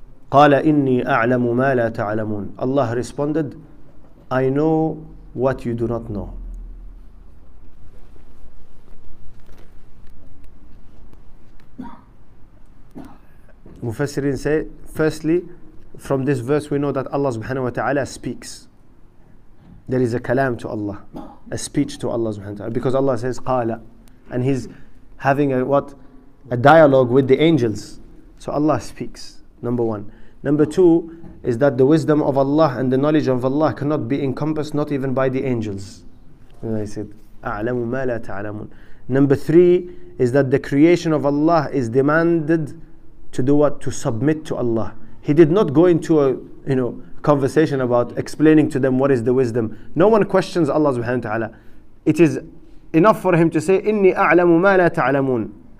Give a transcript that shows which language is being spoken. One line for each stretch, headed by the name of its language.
Arabic: قال إني أعلم ما لا تعلمون.
English: Allah responded, I know what you do not know. Mufassirin say, firstly, from this verse we know that Allah subhanahu wa ta'ala speaks. There is a kalam to Allah, a speech to Allah subhanahu wa ta'ala, because Allah says qala, and he's having a dialogue with the angels. So Allah speaks, number one. Number two is that the wisdom of Allah and the knowledge of Allah cannot be encompassed, not even by the angels. And I said,
Arabic: أَعْلَمُ مَا لَا تَعْلَمُونَ.
English: Number three is that the creation of Allah is demanded to do what? To submit to Allah. He did not go into conversation about explaining to them what is the wisdom. No one questions Allah subhanahu wa ta'ala. It is enough for him to say,
Arabic: إِنِّي أَعْلَمُ مَا لَا تَعْلَمُونَ.